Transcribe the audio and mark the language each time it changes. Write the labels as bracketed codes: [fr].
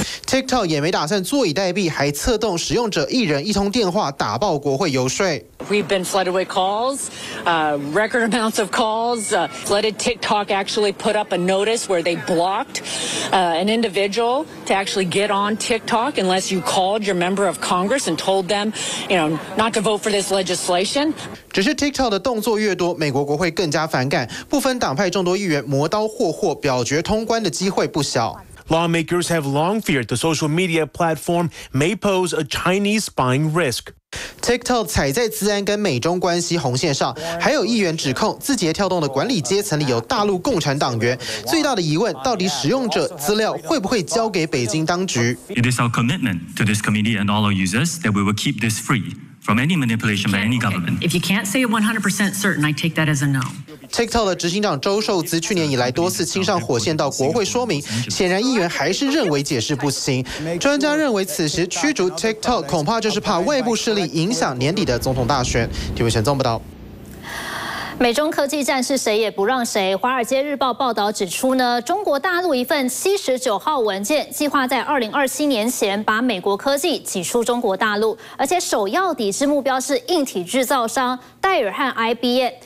[zh] TikTok 也没打算坐以待毙，还策动使用者一人一通电话打爆国会游说。 [en] We've been flooded with calls, record amounts of calls. Flooded TikTok actually put up a notice where they blocked an individual to actually get on TikTok unless you called your member of Congress and told them, you know, not to vote for this legislation. [zh] 只是 TikTok 的动作越多，美国国会更加反感，不分党派众多议员磨刀霍霍，表决通关的机会不小。 [en] Lawmakers have long feared the social media platform may pose a Chinese spying risk. [zh] TikTok 踩在资安跟美中关系红线上，还有议员指控字节跳动的管理阶层里有大陆共产党员。最大的疑问，到底使用者资料会不会交给北京当局 [en] ？It is our commitment to this community and all our users that we will keep this free. From any manipulation by any government. If you can't say 100% certain, I take that as a no. [zh] TikTok 的执行长周受资去年以来多次亲上火线到国会说明，显然议员还是认为解释不行。专家认为，此时驱逐 TikTok 恐怕就是怕外部势力影响年底的总统大选。TVBS 报道。美中科技战是谁也不让谁。华尔街日报报道指出呢，中国大陆一份79号文件计划在2027年前把美国科技挤出中国大陆，而且首要抵制目标是硬体制造商戴尔和 IBM。